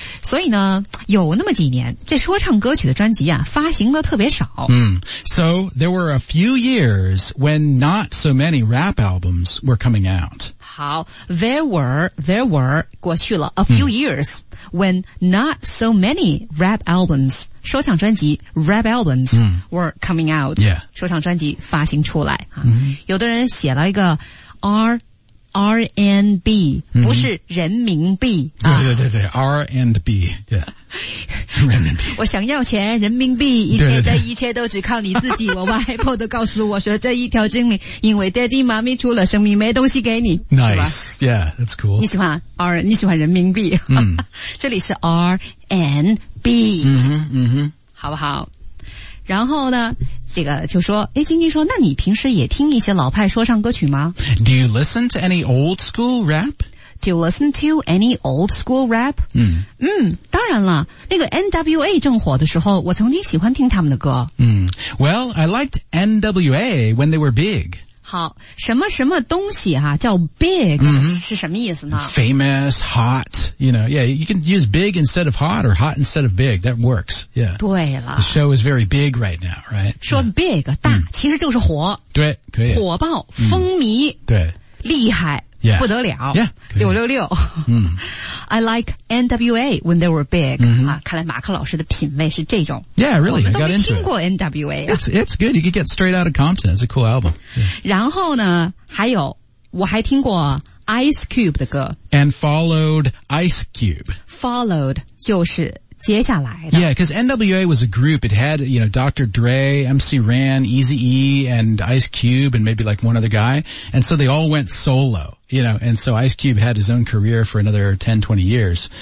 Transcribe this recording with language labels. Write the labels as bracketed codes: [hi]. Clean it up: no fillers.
[zh] 所以呢，有那么几年，这说唱歌曲的专辑啊，发行的特别少。 Mm. [en] So there were a few years when not so many rap albums were coming out. 好 there were, [zh] 过去了 [en] a few years. When not so many rap albums, [zh] 说唱专辑 [en] rap albums、mm. were coming out,、 yeah. [zh] 说唱专辑发行出来、 mm-hmm. 有的人写了一个 R&B、mm-hmm. 不是人民币、 mm-hmm. 啊、对对对 R&B、yeah. 人民币我想要钱人民币一切的一切都只靠你自己我外婆都告诉我说这一条真理因为 daddy 妈咪出了生命没东西给你 [en] Nice, yeah, that's cool [zh] 你喜欢你喜欢人民币、 mm-hmm. 这里是 R&B、 mm-hmm. 好不好然后呢这个就说诶晶晶说那你平时也听一些老派说唱歌曲吗 [en] Do you listen to any old school rap? Do you listen to any old school rap? 嗯 [zh] 嗯当然了那个 NWA 正火的时候我曾经喜欢听他们的歌。 [en] 嗯 Well, I liked NWA when they were big. [zh] 好什么什么东西啊叫 big,、mm-hmm. 是什么意思呢 [en] Famous, hot, you know, yeah, you can use big instead of hot or hot instead of big, that works, yeah. [zh] 对了。 [en] The show is very big right now, right? [zh] 说 big,、yeah. 大、mm. 其实就是火。对可以。火爆风靡、mm. 对。厉害。 [en] Yeah. [zh] 不得了 [en] yeah, 666、 mm. I like NWA when they were big、 mm-hmm. [zh] 啊、看来马克老师的品味是这种 [en] Yeah, really, I got into it [zh] 我们都没听过 NWA、 [en] 啊、it's good, you could get straight out of Compton It's a cool album、yeah. [zh] 然后呢还有我还听过 Ice Cube 的歌 [en] And followed Ice Cube [zh] Followed 就是接下来的 [en] Yeah, because NWA was a group It had, you know, Dr. Dre, MC Ren, Eazy-E And Ice Cube And maybe like one other guy And so they all went soloYou know, and so Ice Cube had his own career for another 10, 20 years.